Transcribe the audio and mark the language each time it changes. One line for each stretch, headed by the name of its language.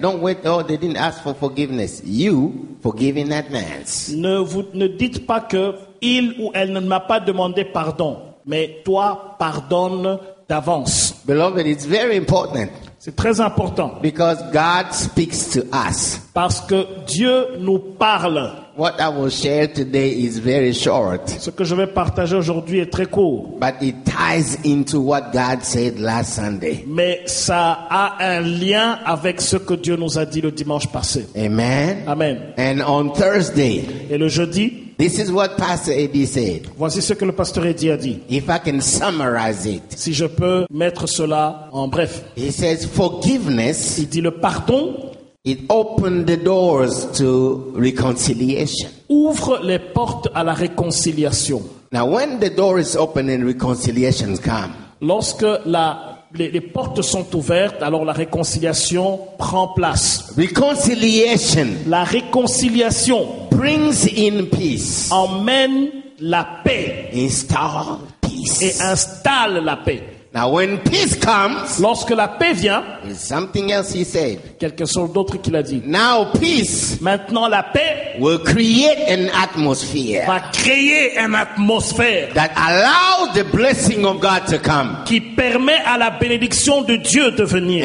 English: Don't wait, oh, they didn't ask for forgiveness. You forgive in advance.
French: Ne dites pas que il ou elle ne m'a pas demandé pardon, mais toi pardonne d'avance.
English: Beloved, it's very important.
French: C'est très important.
English: Because God speaks to us.
French: Parce que Dieu nous parle.
English: What I will share today is very short.
French: Ce que je vais partager aujourd'hui est très court.
English: But it ties into what God said last Sunday.
French: Mais ça a un lien avec ce que Dieu nous a dit le dimanche passé.
English: Amen. Amen. And on Thursday.
French: Et le jeudi.
English: This is what Pastor Eddie said.
French: Voici ce que le pasteur Eddie a dit.
English: If I can summarize it.
French: Si je peux mettre cela en bref.
English: He says forgiveness.
French: Il dit le pardon.
English: It opened the doors to reconciliation.
French: Ouvre les portes à la réconciliation.
English: Now, when the door is open and reconciliation comes,
French: lorsque les portes sont ouvertes, alors la réconciliation prend place.
English: Reconciliation.
French: La réconciliation
English: brings in peace.
French: Emmène la paix.
English: Install peace.
French: Et installe la paix.
English: Now when peace comes,
French: lorsque la paix vient,
English: something else he said,
French: quelque chose d'autre qu'il a dit.
English: Now peace,
French: maintenant la paix,
English: will create an atmosphere,
French: va créer une atmosphère,
English: that allows the blessing of God to come,
French: qui permet à la bénédiction de Dieu de venir,